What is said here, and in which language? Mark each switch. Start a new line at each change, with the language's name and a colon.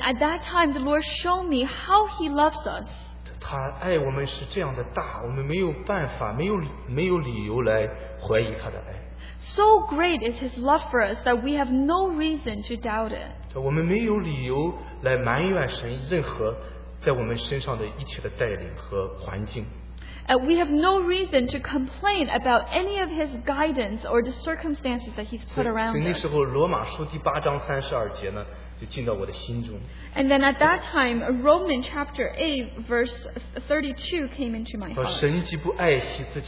English: at that time, the Lord showed me how He loves us.
Chinese: 他爱我们是这样的大，我们没有办法，没有理由来怀疑他的爱。
English: So great is His love for us that we have no reason to doubt it.
Chinese: 我们没有理由来埋怨神任何在我们身上的一切的带领和环境。
English: We have no reason to complain about any of His guidance or the circumstances that He's put around us.
Chinese: 所以那时候罗马书第八章32节呢，就进到我的心中。
English: And then at that time, Romans chapter 8 verse 32 came into my heart.